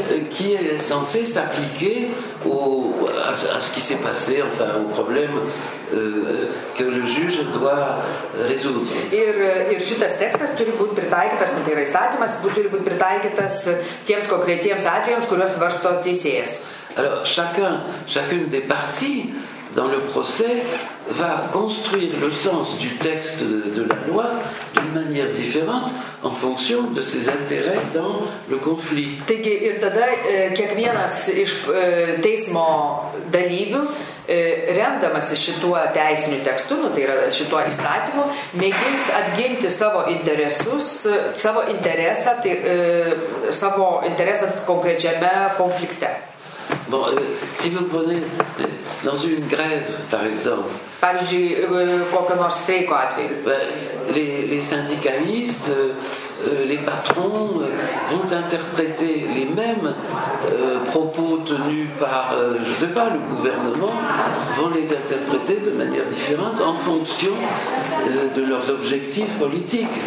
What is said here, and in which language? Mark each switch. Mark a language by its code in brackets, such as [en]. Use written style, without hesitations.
[fr] Qui est censé s'appliquer à ce qui s'est passé, enfin au problème que le juge doit résoudre. [lt] Ir šitas tekstas turi būti pritaikytas, tai yra įstatymas, turi būti pritaikytas tiems konkrétiems atvejams, kuriuos varsto teisėjas. [fr] Alors, chacune des parties dans le procès va construire le sens du texte de la loi d'une manière différente en fonction de ses intérêts dans le conflit. [lt] Taigi, ir tada kiekvienas iš teismo dalyvių, remdamasis šituo teisiniu tekstu, nu, tai yra šituo įstatymu, mėgins apginti savo interesus, savo interesą, tai, savo interesą konkrečiame konflikte. [fr] Bon, si vous prenez dans une grève, par exemple. [lt] Pavyzdžiui, kokio nors streiko atveju. [fr] Les syndicalistes, les patrons vont interpréter les mêmes propos tenus par, je sais pas, le gouvernement, vont les interpréter de manière différente en fonction de leurs objectifs politiques.